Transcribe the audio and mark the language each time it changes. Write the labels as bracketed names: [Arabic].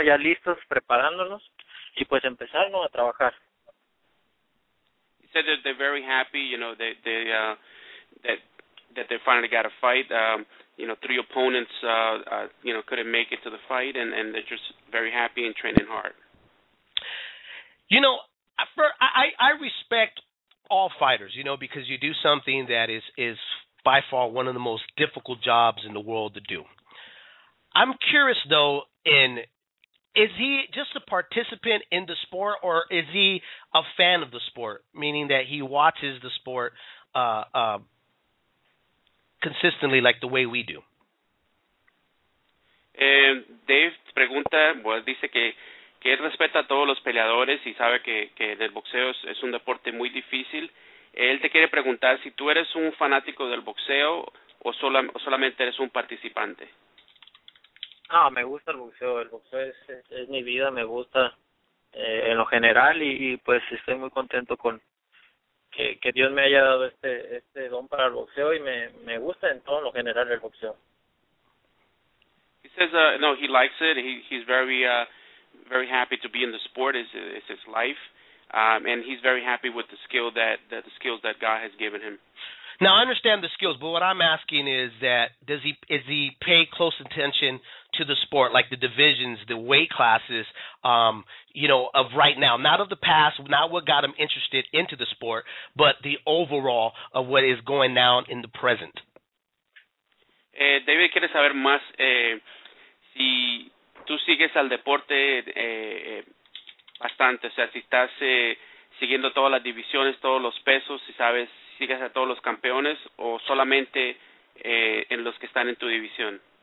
[Spanish] Ya listos, preparándonos y pues empezando a trabajar. [English] said that they're very happy, you know, that they finally got a fight. You know, three opponents, you know, couldn't make it to the fight, and they're just very happy and training hard. You know, I respect all fighters, you know, because you do something that is by far one of the most difficult jobs in the world to do. I'm curious, though, is he just a participant in the sport, or is he a fan of the sport, meaning that he watches the sport consistently like the way we do? [Spanish] Dave pregunta, well, dice que él respeta a todos los peleadores y sabe que en el boxeo es un deporte muy difícil. Él te quiere preguntar si tú eres un fanático del boxeo o solamente eres un participante. Ah, me gusta el boxeo. El boxeo es mi vida, me gusta en lo general y pues estoy muy contento con que Dios me haya dado este don para el boxeo y me gusta en todo lo general el boxeo. [English] He says, no, he likes it. He's very very happy to be in the sport. It's his life. And he's very happy with the skills that God has given him. Now, I understand the skills, but what I'm asking is that does he pay close attention to the sport, like the divisions, the weight classes, you know, of right now, not of the past, not what got him interested into the sport, but the overall of what is going down in the present? [Spanish] David quiere saber más si tú sigues al deporte bastante, o sea, si estás siguiendo todas las divisiones, todos los pesos, si sabes, sigues a todos los campeones o solamente en los que están en tu división.